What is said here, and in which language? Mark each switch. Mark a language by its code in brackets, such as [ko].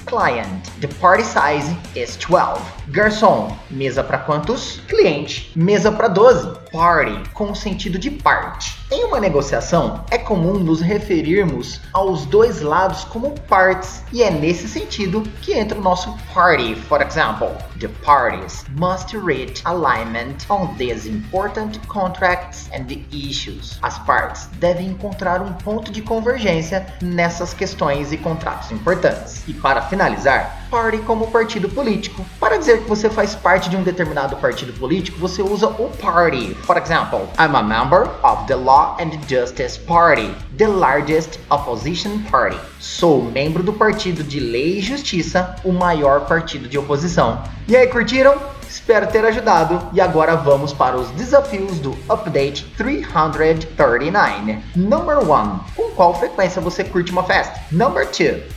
[en] Client, the party size is 12. [pt] Garçom, mesa para quantos? Cliente, mesa para 12. Party, com o sentido de parte. Em uma negociação, é comum nos referirmos aos dois lados como parts, e é nesse sentido que entra o nosso party. [en] For example, the parties must reach alignment on these important contracts and issues. [pt] As partes devem encontrar um ponto de convergência nessas questões e contratos importantes. E para finalizar, party como partido político. Para dizer que você faz parte de um determinado partido político, você usa o party. [en] For example, I'm a member of the Law and Justice Party, the largest opposition party. [pt] Sou membro do partido de Lei e Justiça, o maior partido de oposição. E aí, curtiram? Espero ter ajudado. E agora vamos para os desafios do Update 339. [en] Number 1. [pt] Com qual frequência você curte uma festa? [en] Number 2.